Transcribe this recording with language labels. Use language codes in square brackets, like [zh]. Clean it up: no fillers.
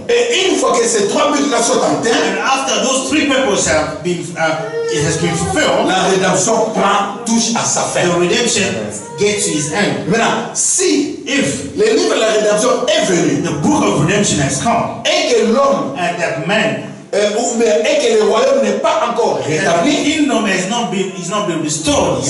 [fr] Et une fois que ces trois buts-là sont atteints, [en] and after those three purposes have been it has been fulfilled, [fr] la rédemption prend touche à sa fin. [en] The redemption gets to his end. [fr] Maintenant, si [en] if [fr] le livre de la rédemption est venu, [en] the book of redemption has come, [fr] et que l'homme, [en] and that man, [fr] et que le royaume n'est pas encore rétabli, [en] the kingdom has not been, is not been restored yet,